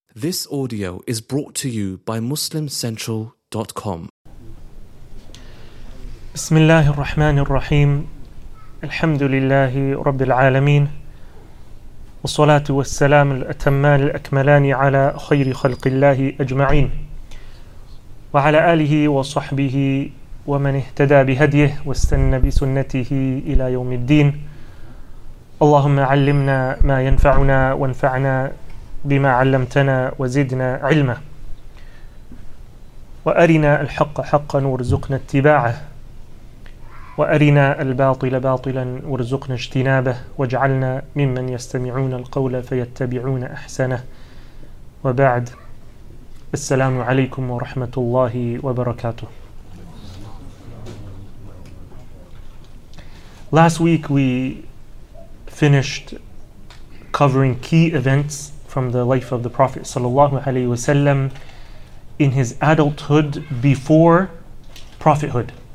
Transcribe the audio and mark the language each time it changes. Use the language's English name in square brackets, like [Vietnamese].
[English] This audio is brought to you by MuslimCentral.com. [Arabic] بسم الله الرحمن الرحيم الحمد لله رب العالمين والصلاة والسلام الأتمان الأكملان على خير خلق الله أجمعين وعلى آله وصحبه ومن اهتدى بهديه واستنى بسنته إلى يوم الدين اللهم علمنا ما ينفعنا وانفعنا بما علمتنا وزدنا علما وأرنا الحق حقا وارزقنا اتباعه وأرنا الباطل باطلا وارزقنا اجتنابه واجعلنا ممن يستمعون القول فيتبعون أحسنه وبعد السلام عليكم ورحمة الله وبركاته. [English] Last week we finished covering key events from the life of the Prophet sallallahu alaihi wasallam in his adulthood before prophethood.